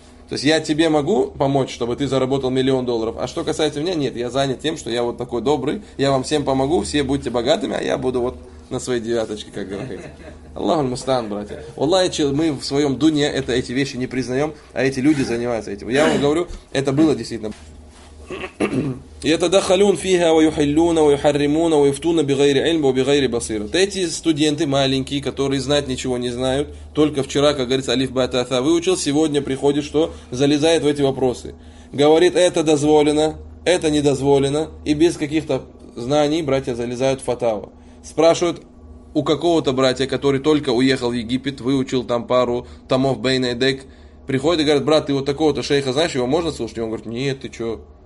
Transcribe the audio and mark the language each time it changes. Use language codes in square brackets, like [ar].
[ru] То есть я тебе могу помочь, чтобы ты заработал $1,000,000. А что касается меня, нет, я занят тем, что я вот такой добрый. Я вам всем помогу, все будьте богатыми, а я буду вот на своей девяточке, как говорится. Аллаху аль-мустаан, братья. Валлахи, мы в своем дуне это, эти вещи не признаем, а эти люди занимаются этим. Я вам говорю, это было действительно. [ar] يتدخلون فيها ويحلون ويحرمون ويفتون بغير علم وبغير بصيرة. [ru] Эти студенты маленькие, которые знать ничего не знают, только вчера, как говорится, алиф, ба, та, та, выучил, сегодня приходит, что залезает в эти вопросы. Говорит, это дозволено, это не дозволено, и без каких-то знаний братья залезают в фатаву. Спрашивают у какого-то братья, который только уехал в Египет, выучил там пару томов Бейн-Эдек, приходит и говорит, брат, ты вот такого-то шейха знаешь, его можно слушать? И он говорит, нет, ты что?